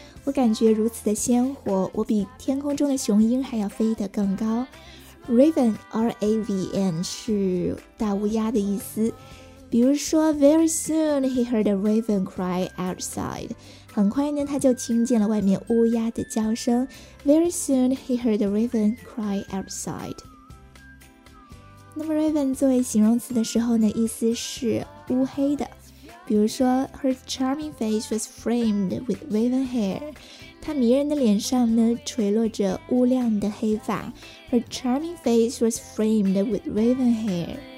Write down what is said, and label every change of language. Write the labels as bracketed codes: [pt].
[zh] 我感觉如此的鲜活，我比天空中的雄鹰还要飞得更高。 Raven, R-A-V-N, 是大乌鸦的意思。 [en] 比如说 ,Very soon he heard a raven cry outside. [zh] 很快呢，他就听见了外面乌鸦的叫声。 [en] Very soon he heard a raven cry outside. [zh] 那么 Raven 作为形容词的时候呢意思是乌黑的比如说 Her charming face was framed with raven hair 她迷人的脸上呢垂落着乌亮的黑发 Her charming face was framed with raven hair